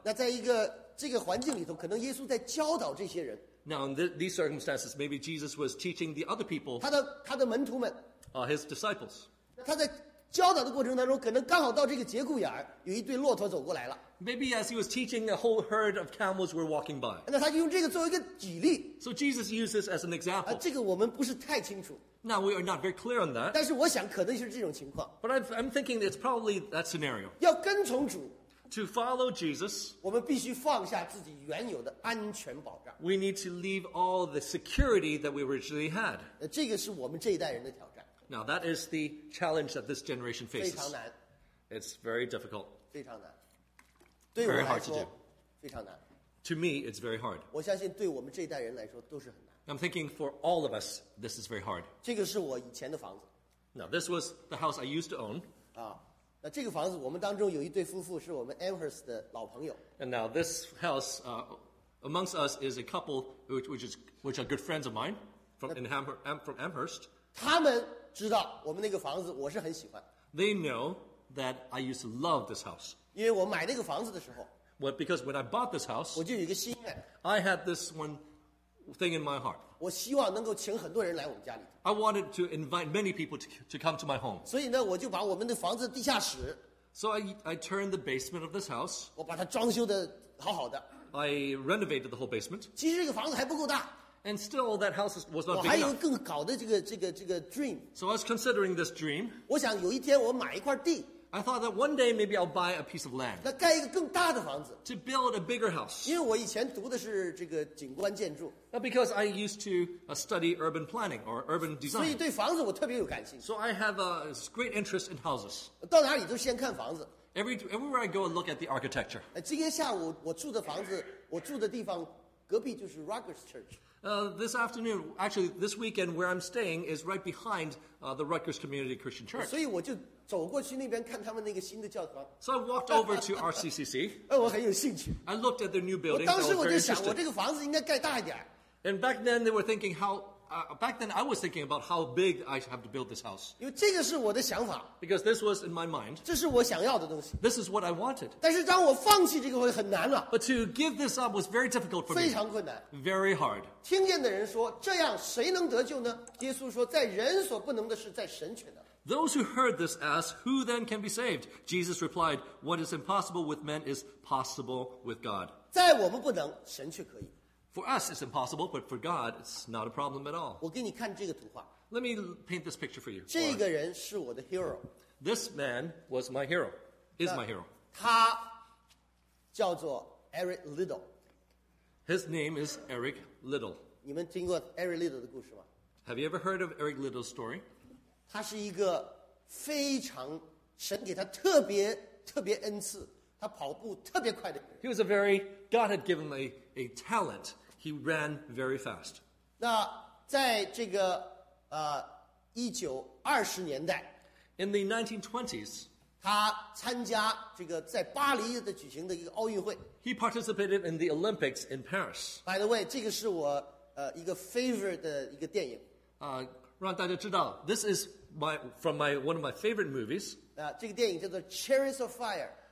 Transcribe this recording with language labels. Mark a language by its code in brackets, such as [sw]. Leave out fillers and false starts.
[zh] 那在一个这个环境里头，可能耶稣在教导这些人。 [en] Now, in these circumstances, maybe Jesus was teaching the other people. [zh] 他的门徒们。 [en] His disciples. [zh] 他在教导的过程当中，可能刚好到这个节骨眼儿，有一对骆驼走过来了。 [en] Maybe as he was teaching, a whole herd of camels were walking by. [zh] 那他就用这个作为一个举例。 [en] So Jesus used this as an example. [zh] 这个我们不是太清楚。 [en] Now we are not very clear on that. [zh] 但是我想可能就是这种情况。 [en] But I'm thinking it's probably that scenario. [zh] 要跟从主。 [en] To follow Jesus. [zh] 我们必须放下自己原有的安全保障。 [en] We need to leave all the security that we originally had. [zh] 这个是我们这一代人的挑战。 [en] Now that is the challenge that this generation faces. [zh] 非常难。 [en] It's very difficult. [zh] 非常难。 [en] Very hard to do. [zh] 非常难。 [en] To me, it's very hard. [zh] 我相信对我们这一代人来说都是很难。 [en] I'm thinking for all of us, this is very hard. [zh] 这个是我以前的房子。 [en] Now, this was the house I used to own. [zh] 那这个房子我们当中有一对夫妇是我们 Amherst 的老朋友。 [en] And now this house, amongst us is a couple which are good friends of mine from Amherst. [zh] 他们知道我们那个房子我是很喜欢。 [en] They know that I used to love this house. [zh] 因为我买那个房子的时候 [en] well, because when I bought this house, [zh] 我就有一个心愿 [en] I had this one thing in my heart. [zh] 我希望能够请很多人来我们家里。 [en] I wanted to invite many people to come to my home. [zh] 所以呢，我就把我们的房子地下室 [en] So I turned the basement of this house. [zh] 我把它装修的好好的。 [en] I renovated the whole basement. [zh] 其实这个房子还不够大。 [en] And still, that house was not big [zh] enough. 我还有更好的这个 dream. [en] So I was considering this dream. [zh] 我想有一天我买一块地。 [en] I thought that one day maybe I'll buy a piece of land. [zh] 那盖一个更大的房子。 [en] To build a bigger house. [zh] 因为我以前读的是这个景观建筑。 [en] Because I used to study urban planning or urban design. [zh] 所以对房子我特别有感兴趣。 [en] So I have a great interest in houses. [zh] 到哪里都先看房子。 [en] Everywhere I go, I look at the architecture. [zh] 今天下午我住的房子，我住的地方隔壁就是 Rutgers Church. [en] This afternoon, actually this weekend, where I'm staying is right behind the Rutgers Community Christian Church. [zh] 所以我就。走过去那边看他们那个新的教堂。 [en] So I walked over to RCCC. [zh] 我很有兴趣。 [en] I looked at their new building. [zh] 我当时我就想，我这个房子应该盖大一点。 [en] And back then they were thinking how, back then I was thinking about how big I have to build this house. [zh] 因为这个是我的想法。 [en] Because this was in my mind. [zh] 这是我想要的东西。 [en] This is what I wanted. [zh] 但是当我放弃这个会很难了。 [en] But to give this up was very difficult for me. [zh] 非常困难。 [en] Very hard. [zh] 听见的人说，这样谁能得救呢？耶稣说，在人所不能的事，在神却能。 [en] Those who heard this asked, "Who then can be saved?" Jesus replied, "What is impossible with men is possible with God." [zh] 在我们不能，神却可以。 [en] For us, it's impossible, but for God, it's not a problem at all. [zh] 我给你看这个图画。 [en] Let me paint this picture for you. [zh] 这个人是我的 hero. [en] This man was my hero. Is my hero. [zh] 他叫做 Eric Little. [en] His name is Eric Little. [zh] 你们听过 Eric Little 的故事吗？ [en] Have you ever heard of Eric Little's story? [zh] 他是一个非常神给他特别特别恩赐，他跑步特别快的人。 [en] He was a very God had given him a talent. He ran very fast. [zh] 那在这个1920年代 [en] ，in the 1920s， [zh] 他参加这个在巴黎的举行的一个奥运会。 [en] He participated in the Olympics in Paris. By the way， [zh] 这个是我一个 favorite 的一个电影。让大家知道 [en] ，this is from one of my favorite movies. [zh] 这个电影叫做 Chariots of Fire.